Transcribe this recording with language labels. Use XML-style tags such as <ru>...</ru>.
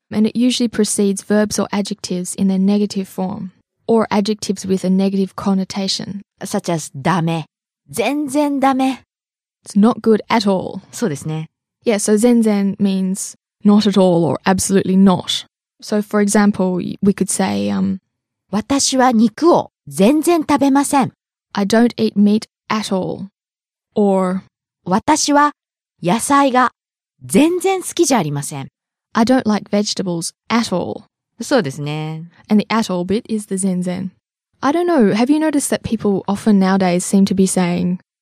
<en>And it usually precedes verbs or adjectives in their negative form, or adjectives with a negative connotation. Such as</en> <ja>ダメ.全然ダメ.</ja> <en>It's not good at all.</en> <ja>そうですね.</ja> <en>Yeah, so 全然 means not at all or absolutely not. So, for example, we could say,</en> <ja>私は肉を全然食べません。</ja> <en>I don't eat meat at all. Or,</en> <ja>私は野菜が全然好きじゃありません。</ja> <en>I don't like vegetables at all.</en> <ja>そうですね。</ja> <en>And the at all bit is the 全然. I don't know, have you noticed that people often nowadays seem to be saying...</en>